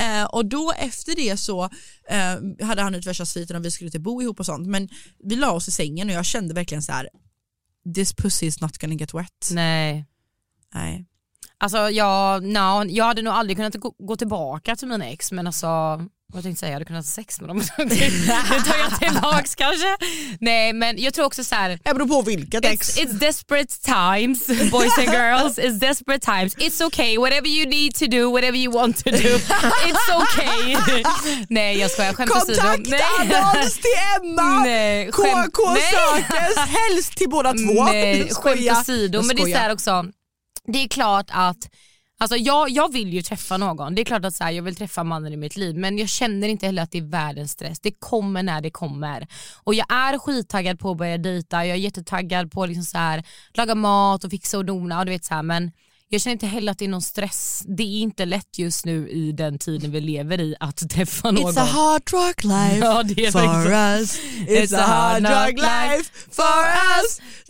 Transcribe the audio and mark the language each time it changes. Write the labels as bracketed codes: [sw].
[sv] Och då efter det så hade han hyrt värsta sviten och vi skulle typ bo ihop och sånt, men vi la oss i sängen och jag kände verkligen så här, [en] this pussy is not gonna get wet. [sv] Nej. Alltså jag hade nog aldrig kunnat gå tillbaka till mina ex, men alltså, vad tänkte jag säga, jag hade kunnat ha sex med dem. Nu tar jag tillbaks kanske. Nej, men jag tror också såhär, apropå vilket ex, [en] it's desperate times, boys and girls. It's desperate times, it's okay, whatever you need to do, whatever you want to do, it's okay. [sv] Nej, jag skojar, skämt åsido. Kontakta Adonis till Emma. Nej, KK sökes, helst till båda två. Nej, skämt åsido, men det är såhär också. Det är klart att, alltså jag vill ju träffa någon. Det är klart att så här, jag vill träffa mannen i mitt liv. Men jag känner inte heller att det är världens stress. Det kommer när det kommer. Och jag är skittaggad på att börja dejta. Jag är jättetaggad på liksom så här, laga mat och fixa och dona. Och du vet så här, men jag känner inte heller att det är någon stress. Det är inte lätt just nu i den tiden vi lever i att träffa någon. [en] It's a hard rock life, [sv] ja, det är [en] for [sv] faktiskt [en] us. It's a hard rock life for us.